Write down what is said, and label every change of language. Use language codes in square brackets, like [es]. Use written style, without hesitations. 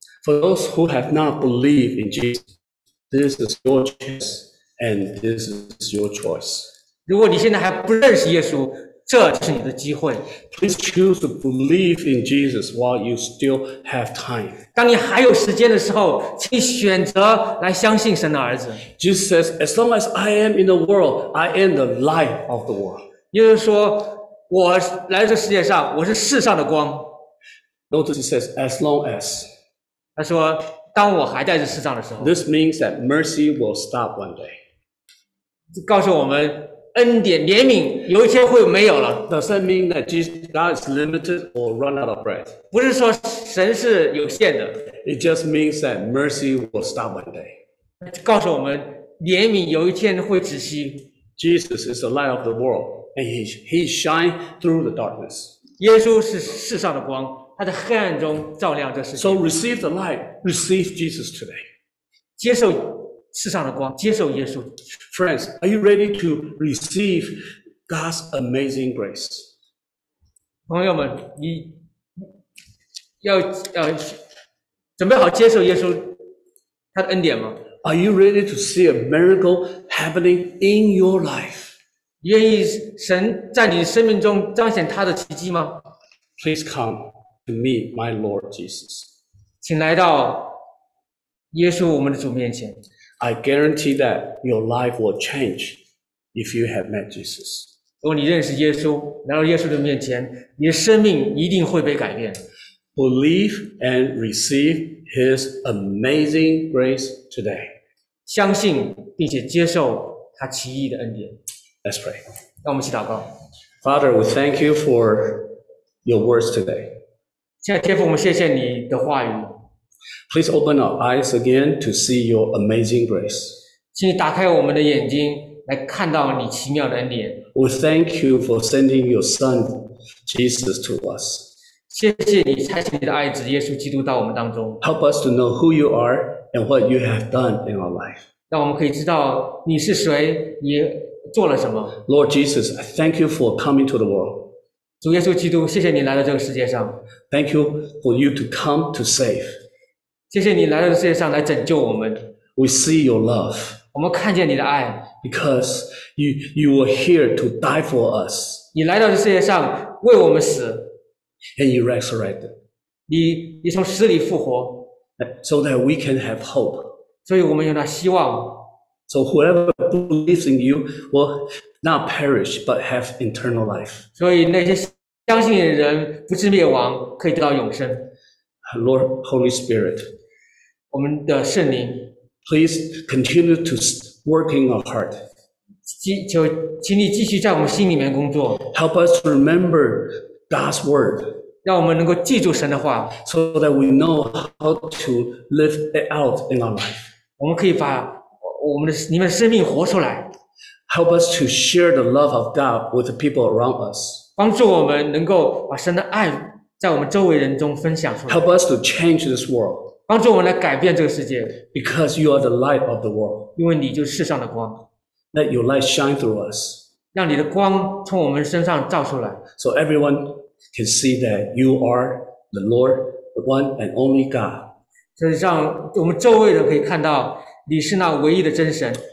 [en] ？For those who have not believed in Jesus, this is your chance and this is your choice. [zh] 如果你现在还不认识耶稣，这是你的机会。 [en] Please choose to believe in Jesus while you still have time. [zh] 当你还有时间的时候，请选择来相信神的儿子。 [en] Jesus says, "As long as I am in the world, I am the light of the world." [zh] 也就是说，我来这世界上，我是世上的光。 [en] Notice he says, "As long as." [zh] 他说，当我还在这世上的时候。 [en] This means that mercy will stop one day. [zh] 告诉我们。恩典怜悯有一天会没有了。 [en] Does that mean that God is limited or run out of bread? [zh] 不是说神是有限的。 [en] It just means that mercy will stop one day. [zh] 告诉我们怜悯有一天会止息。 [en] Jesus is the light of the world, and he shines through the darkness. [zh] 耶稣是世上的光，他在黑暗中照亮这世界。 [en] So receive the light, receive Jesus today. [zh] 接受世上的光，接受耶稣。 [en] Friends, are you ready to receive God's amazing grace? [zh] 朋友们，你要准备好接受耶稣他的恩典吗 [en] ？Are you ready to see a miracle happening in your life? [zh] 愿意神在你生命中彰显他的奇迹吗 [en] Please come to me, my Lord Jesus. [zh] 请来到耶稣我们的主面前。 [en] I guarantee that your life will change if you have met Jesus. [zh] 如果你认识耶稣，来到耶稣的面前，你的生命一定会被改变。 [en] Believe and receive His amazing grace today. [zh] 相信并且接受他奇异的恩典。 [en] Let's pray. [zh] 让我们一起祷告。 [en] Father, we thank you for your words today. [zh] 现在天父，我们谢谢你的话语。 [en] Please open our eyes again to see your amazing grace. [zh] 请你打开我们的眼睛，来看到你奇妙的恩典。 [en] We thank you for sending your Son, Jesus, to us. [zh] 谢谢你差遣你的爱子耶稣基督到我们当中。 [en] Help us to know who you are and what you have done in our life. [zh] 让我们可以知道你是谁，你做了什么。 [en] Lord Jesus, I thank you for coming to the world. [zh] 主耶稣基督，谢谢你来到这个世界上。 [en] Thank you for you to come to save. [zh] 谢谢你来到这个世界上来拯救我们。 [en] We see your love. [zh] 我们看见你的爱。 [en] Because you were here to die for us. [zh] 你来到这个世界上为我们死。 [en] And you resurrected. [zh] 你从死里复活。 [en] So that we can have hope. [zh] 所以我们有那希望。 [en] So whoever believes in you will not perish, but have eternal life. [zh] 所以那些相信的人不至灭亡，可以得到永生。 [en] Lord, Holy Spirit, [zh] 我们的圣灵， [en] please continue to work in our heart. [zh] 请你继续在我们心里面工作。 [en] Help us to remember God's word. [zh] 让我们能够记住神的话， [en] so that we know how to live it out in our life. [zh] 我们可以把我们的你们的生命活出来。 [en] Help us to share the love of God with the people around us. [zh] 帮助我们能够把神的爱在我们周围人中分享出来。 [en] Help us to change this world. [zh] 帮助我们来改变这个世界。 [en] Because you are the light of the world. [zh] 因为你就是世上的光。 [en] Let your light shine through us. [zh] 让你的光从我们身上照出来。 [en] So everyone can see that you are the Lord, the one and only God. [zh] 所以让我们周围人可以看到你是那唯一的真神。